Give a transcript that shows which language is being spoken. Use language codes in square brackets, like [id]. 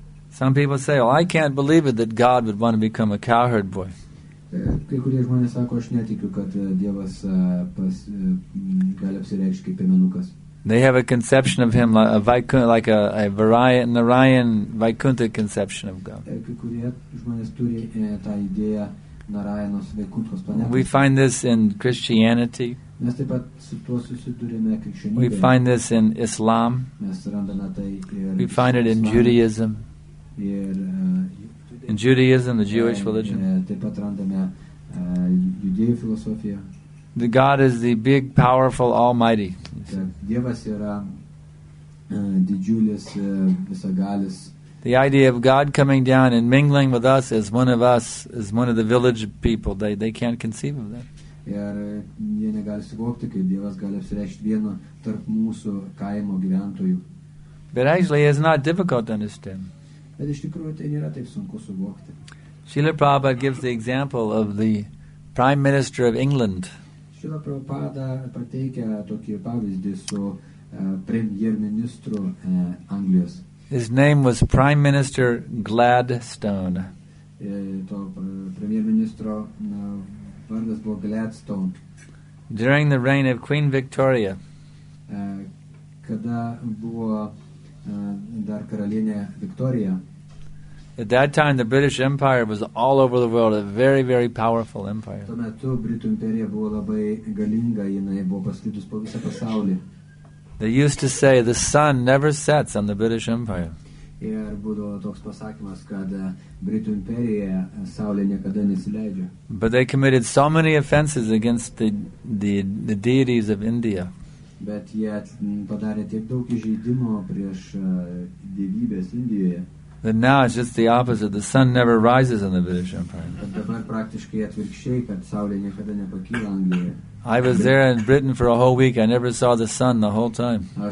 [en] Some people say, well, I can't believe it that God would want to become a cowherd boy. [lt] Kai kurie žmonės sako, aš netikiu, kad Dievas gali apsireikšti kaip piemenukas. [en] They have a conception of him like a Varayan, Narayan Vaikuntha conception of God. [lt] Kai kurie žmonės turi tą idėją Narayanos Vaikunthos planetos. [en] We find this in Christianity. [lt] Mes taip pat su tuo susidūrėme krikščionybėje. [en] We find this in Islam. [lt] Mes randame tai [en] ir We find it in Judaism. [lt] Ir [en] In Judaism, the Jewish religion, the God is the big, powerful, almighty. The idea of God coming down and mingling with us as one of the village people, they can't conceive of that. [lt] Ir jie negali suvokti, kad Dievas gali apsireikšti vieno tarp mūsų kaimo gyventojų. [en] But actually, it's not difficult to understand. [lt] Bet iš tikrųjų, tai nėra taip sunku suvokti. [en] Srila Prabhupada gives the example of the Prime Minister of England. [lt] Srila Prabhupada pateikia tokį pavyzdį su premjerministru Anglijos. [en] His name was Prime Minister Gladstone. [lt] To premjerministro vardas buvo Gladstone. [en] During the reign of Queen Victoria. [lt] Kada buvo dar karalienė Victoria. [en] At that time, the British Empire was all over the world, a very, very powerful empire. [lt] Tuo metu Britų imperija buvo labai galinga, jinai buvo pasklidus po visą pasaulį. [en] They used to say, the sun never sets on the British Empire. [lt] Ir būdavo toks pasakymas, kad Britų imperija saulė niekada nesileidžia. [en] But they committed so many offenses against the deities of India. [lt] Bet jie padarė tiek daug įžeidimų prieš dievybės Indijoje. [en] And now it's just the opposite. The sun never rises in the British Empire. I was there in Britain for a whole week. I never saw the sun the whole time.